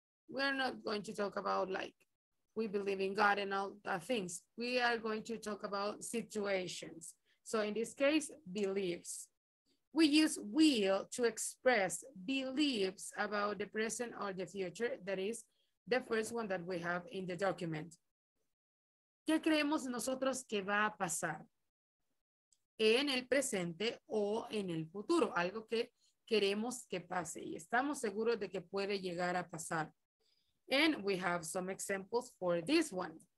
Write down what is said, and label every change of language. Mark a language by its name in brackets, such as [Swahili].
[English] We are not going to talk about like, we believe in God and all the things. We are going to talk about situations. So in this case, beliefs. We use will to express beliefs about the present or the future. That is the first one that we have in the document. [Spanish] ¿Qué creemos nosotros que va a pasar en el presente o en el futuro? Algo que queremos que pase y estamos seguros de que puede llegar a pasar. [English] And we have some examples for this one.